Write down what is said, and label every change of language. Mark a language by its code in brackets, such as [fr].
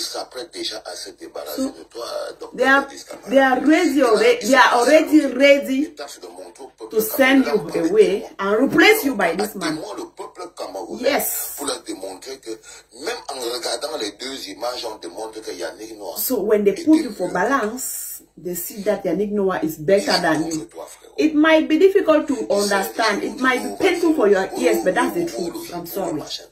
[fr] ils s'apprêtent déjà à se débarrasser de toi. Donc, [en] they are already ready to send you away and replace you by this man. [fr] Le peuple camerounais, yes. Pour leur démontrer que même en regardant les deux images, on démontre que Yannick Noah. [en] So when they put you for balance, they see that Yannick Noah is better than you. It might be difficult to understand. It might be painful for your ears, but that's the truth. I'm sorry.